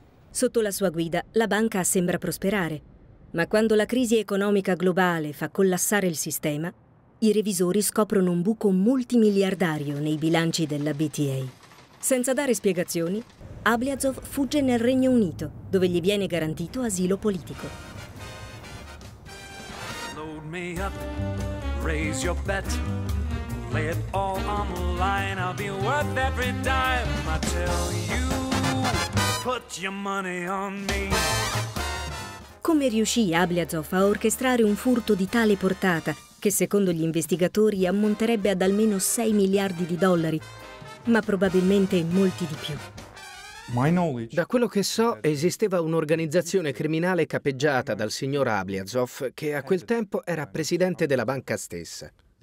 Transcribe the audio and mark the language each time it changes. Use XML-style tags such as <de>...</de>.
<it>Sotto la sua guida, la banca sembra prosperare, ma quando la crisi economica globale fa collassare il sistema, i revisori scoprono un buco multimiliardario nei bilanci della BTA. Senza dare spiegazioni, Ablyazov fugge nel Regno Unito, dove gli viene garantito asilo politico.</it> <en>Load me up, raise your bet, lay it all on the line, I'll be worth every dime, I tell you, put your money on me.</en> <it>Come riuscì Ablyazov a orchestrare un furto di tale portata, che secondo gli investigatori ammonterebbe ad almeno 6 miliardi di dollari, ma probabilmente molti di più? Da quello che so, esisteva un'organizzazione criminale capeggiata dal signor Ablyazov, che a quel tempo era presidente della banca stessa.</it>